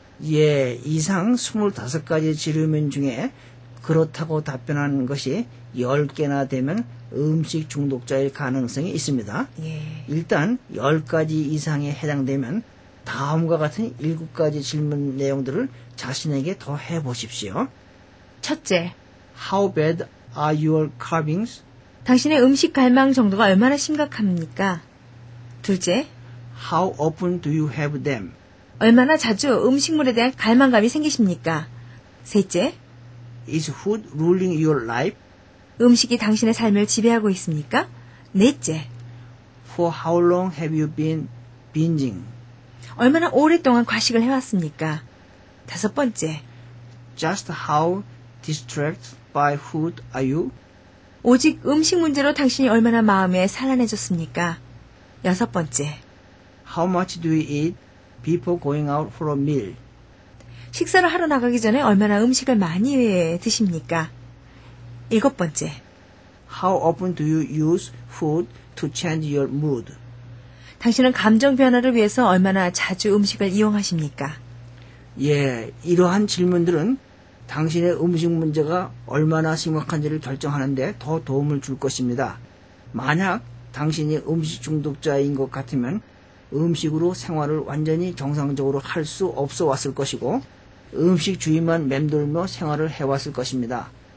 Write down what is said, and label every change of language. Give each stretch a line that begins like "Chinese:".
Korean: 예, 이상 25가지 질문 중에 그렇다고 답변한 것이 10개나 되면 음식 중독자일 가능성이 있습니다. 예. 일단 10가지 이상에 해당되면 다음과 같은 7가지 질문 내용들을 자신에게 더 해보십시오. 첫째,
English: How bad are your cravings?
Korean: 당신의 음식 갈망 정도가 얼마나 심각합니까? 둘째,
English: How often do you have them?
Korean: 얼마나 자주 음식물에 대한 갈망감이 생기십니까? 셋째,
English: Is food ruling your life?
Korean: 음식이 당신의 삶을 지배하고 있습니까? 넷째,
English: For how long have you been binging?
Korean: 얼마나 오랫동안 과식을 해왔습니까? 다섯 번째,
English: Just how distracted by food are you?
Korean: 오직 음식 문제로 당신이 얼마나 마음에 산란해졌습니까? 여섯 번째,
English: How much do you eat before going out for a meal?
Korean: 식사를 하러 나가기 전에 얼마나 음식을 많이 드십니까? 일곱 번째,
English: How often do you use food to change your mood?
Korean: 당신은 감정 변화를 위해서 얼마나 자주 음식을 이용하십니까? 예, 이러한 질문들은 당신의 음식 문제가 얼마나 심각한지를 결정하는 데 더 도움을 줄 것입니다. 만약 당신이 음식 중독자인 것 같으면 음식으로 생활을 완전히 정상적으로 할 수 없어 왔을 것이고 음식 주위만 맴돌며 생활을 해왔을 것입니다.